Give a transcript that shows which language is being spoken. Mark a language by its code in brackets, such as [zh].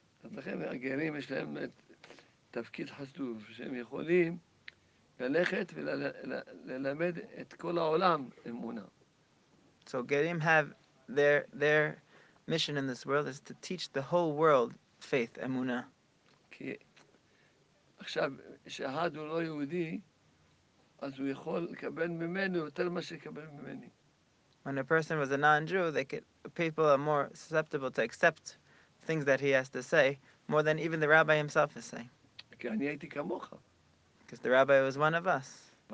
[he] לכן הגרים יש להם תפקיד חשוב, שהם יכולים ללכת וללמד את כל העולם אמונה. [en] So גרים have their mission in this world is to teach the whole world faith, אמונה. [he] כי עכשיו, שאחד הוא לא יהודי, אז הוא יכול לקבל ממנו יותר מה שקבל ממני. [en] When a person was a non-Jew, people are more susceptible to accept things that he has to say, more than even the rabbi himself is saying. Because the rabbi was one of us.